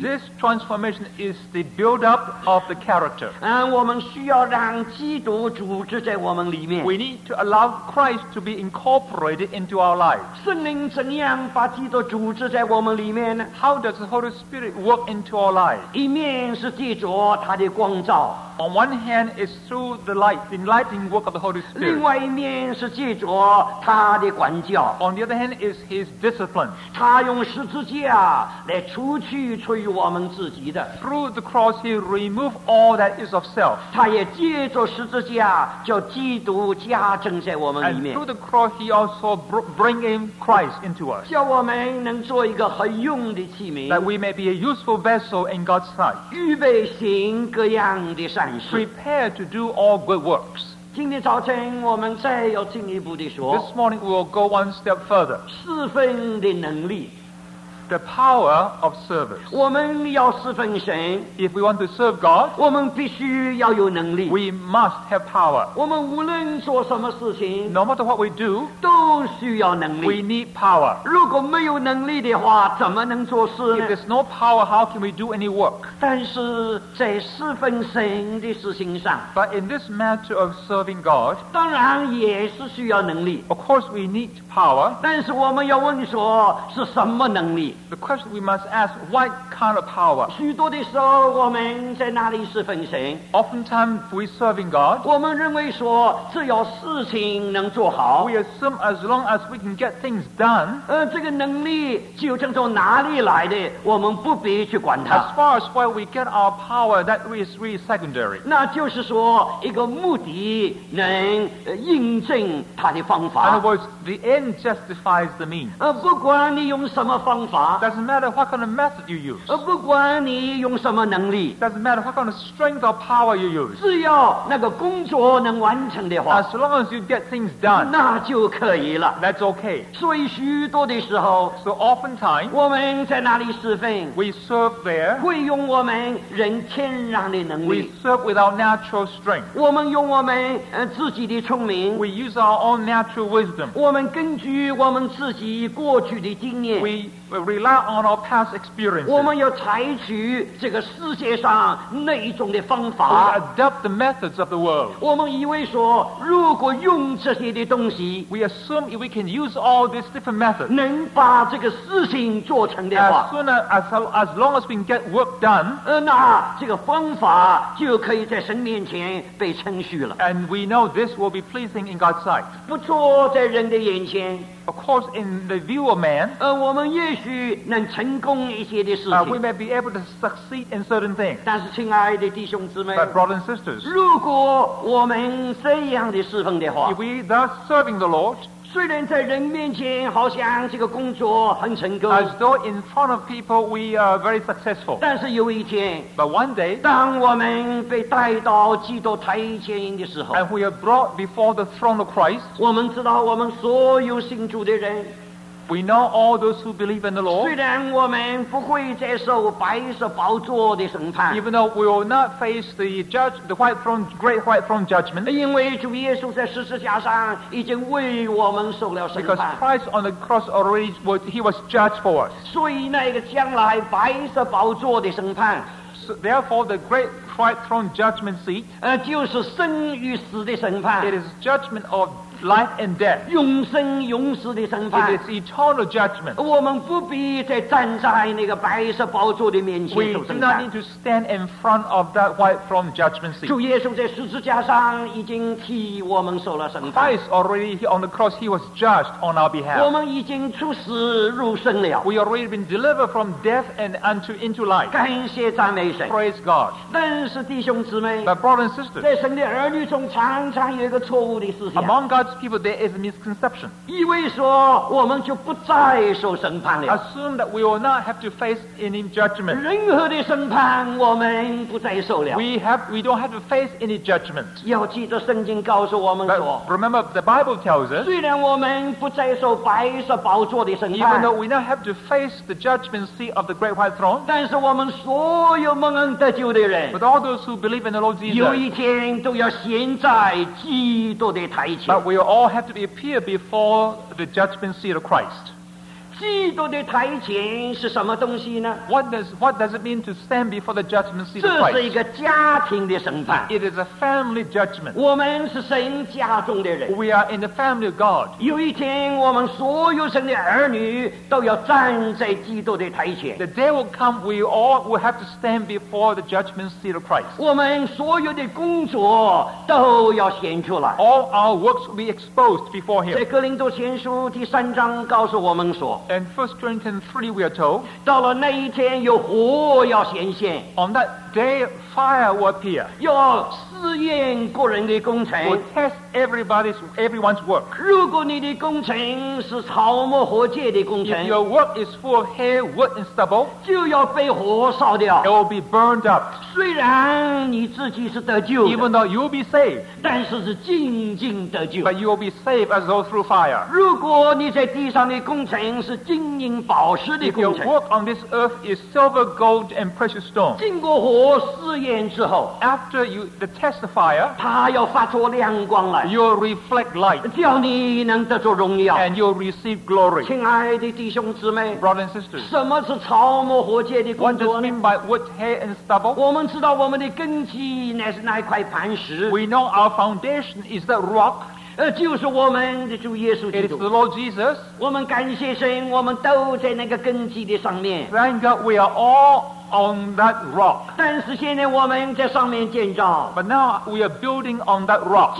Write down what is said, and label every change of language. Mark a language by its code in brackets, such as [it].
[en] This transformation is the build-up of the character. [zh] 我们需要让基督组织在我们里面。 [en] We need to allow Christ to be incorporated into our lives. [zh] 圣灵怎样把基督组织在我们里面呢？ [en] How does the Holy Spirit work into our lives? [zh] 一面是借着他的光照。 [en] On one hand, it's through the light, the enlightening work of the Holy Spirit. [zh] 另外一面是借着他的管教。 [en] On the other hand, is His discipline. [zh] 他用十字架来除去出于我们自己的。 [en] Through the cross, He removed all that is of self. [zh] 他也借着十字架叫基督加增在我们里面。 [en] And through the cross, He also bring in Christ into us. [zh] 叫我们能做一个合用的器皿。 [en] That we may be a useful vessel in God's sight. [zh] 预备行各样的善。 [en] Prepare to do all good works. [zh] 今天早晨我们再要进一步地说。 [en] This morning we'll go one step further. [zh] 侍奉的能力。 [en] The power of service. [zh] 我们要侍奉神。 [en] If we want to serve God, [zh] 我们必须要有能力。 [en] We must have power. [zh] 我们无论做什么事情。 [en] No matter what we do, [zh] 都需要能力。 [en] We need power. [zh] 如果没有能力的话，怎么能做事呢？ [en] If there's no power, how can we do any work? [zh] 但是在侍奉神的事情上。 [en] But in this matter of serving God, [zh] 当然也是需要能力。 [en] Of course we need power. [zh] 但是我们要问说是什么能力。 [en] The question we must ask, what kind of power? [zh] 许多的时候我们在那里侍奉神。 [en] Oftentimes, we serving God. [zh] 我们认为说只要事情能做好。 [en] We assume as long as we can get things done. [zh] 这个能力究竟从哪里来的我们不必去管它。 [en] As far as where we get our power, that is really secondary. [zh] 那就是说一个目的能印证它的方法。 [en] In other words, the end justifies the means. [zh] 不管你用什么方法。 [en] Doesn't matter what kind of method you use. [zh] 不管你用什么能力。 [en] Doesn't matter what kind of strength or power you use. [zh] 只要那个工作能完成的话。 [en] As long as you get things done. [zh] 那就可以了。 [en] That's okay. [zh] 所以许多的时候。 [en] So oftentimes. [zh] 我们在哪里侍奉。 [en] We serve there. [zh] 会用我们人天然的能力。 [en] We serve with our natural strength. [zh] 我们用我们自己的聪明。 [en] We use our own natural wisdom. [zh] 我们根据我们自己过去的经验。 [en] We rely on our past experiences. [zh] 我们要采取这个世界上那一种的方法。 [en] We adopt the methods of the world. [zh] 我们以为说，如果用这些的东西， [en] We assume if we can use all these different methods. [zh] 能把这个事情做成的话， [en] As long as we can get work done. [zh] 那这个方法就可以在神面前被称许了。 [en] And we know this will be pleasing in God's sight. [zh] 不错在人的眼前。 [en] Of course, in the view of man, [zh] 我们也许能成功一些的事情。 [en] We may be able to succeed in certain things. [zh] 但是，亲爱的弟兄姊妹， [en] But brothers and sisters, [zh] 如果我们这样的侍奉的话， [en] If we thus serving the Lord, [zh] 虽然在人面前好像这个工作很成功， [en] As though in front of people we are very successful, [zh] 但是有一天， [en] But one day, [zh] 当我们被带到基督台前的时候， [en] And we are brought before the throne of Christ, [zh] 我们知道我们所有信主的人。 [en] We know all those who believe in the Lord. [zh] 虽然我们不会接受白色宝座的审判。 [en] Even though we will not face the great white throne judgment. [zh] 因为主耶稣在十字架上已经为我们受了审判。 [en] Because Christ on the cross already was judged for us. [zh] 所以那个将来白色宝座的审判。 [en] So, therefore, the great white throne judgment seat. [zh] 就是生与死的审判。 [en] It is judgment of life and death. [zh] 永生永死的审判。 [en] It is eternal judgment. [zh] 我们不必再站在那个白色宝座的面前受审判。 [en] We do not need to stand in front of that white throne judgment seat. [zh] 主耶稣在十字架上已经替我们受了审判。 [en] Christ already on the cross, he was judged on our behalf. [zh] 我们已经出死入生了。 [en] We already been delivered from death and into life. [zh] 感谢赞美神。 [en] Praise God. [zh] 但是弟兄姊妹。 [en] But brothers and sisters. [zh] 在神的儿女中常常有一个错误的思想。 [en] Among God's people, there is a misconception. [zh] 以为说我们就不再受审判了。 [en] Assume that we will not have to face any judgment. [zh] 任何的审判我们不再受了。 [en] We don't have to face any judgment. [zh] 要记得圣经告诉我们说。 [en] But remember, the Bible tells us. [zh] 虽然我们不再受白色宝座的审判。 [en] Even though we now have to face the judgment seat of the great white throne. [zh] 但是我们所有蒙恩得救的人。 [en] But all those who believe in the Lord Jesus. [zh] 有一天都要现在基督的台前。 [en] We will all have to appear before the judgment seat of Christ. [zh] 基督的台前是什么东西呢？ [en] What does it mean to stand before the judgment seat of [zh] Christ? 这是一个家庭的审判。 [en] It is a family judgment. [zh] 我们是神家中的人。 [en] We are in the family of God. [zh] 有一天我们所有神的儿女都要站在基督的台前。 [en] The day will come we all will have to stand before the judgment seat of Christ. [zh] 我们所有的工作都要显出来。 [en] All our works will be exposed before him. [zh] 在哥林多前书第三章告诉我们说， [en] And 1 Corinthians 3 we are told [zh] 到了那一天有火要显现 [en] On that day fire will appear [zh] 要试验个人的工程 [en] Will test everyone's work [zh] 如果你的工程是草木和芥的工程 [en] If your work is full of hay, wood and stubble [zh] 就要被火烧掉 [en] It will be burned up [zh] 虽然你自己是得救的 [en] Even though you will be saved [zh] 但是是静静得救 [en] But you will be saved as though through fire [zh] 如果你在地上的工程是金银宝石的工程。 [en] If your work on this earth is silver, gold, and precious stone, [zh] 经过火试验之后 [en] after you the test the fire, [zh] 它要发出亮光来。 [en] You'll reflect light, [zh] 叫你能得着荣耀。 [en] And you'll receive glory. [zh] 亲爱的弟兄姊妹 [en] brothers and sisters, [zh] 什么是草木和芥的工作呢 [en] What does it mean by wood, hay, and stubble? [zh] 我们知道我们的根基乃是那一块磐石。 [en] We know our foundation is the rock. [zh] 就是我们的主耶稣基督 [en] It is the Lord Jesus [zh] 我们感谢神我们都在那个根基的上面 [en] Thank God we are all on that rock [zh] 但是现在我们在上面建造 [en] But now we are building on that rock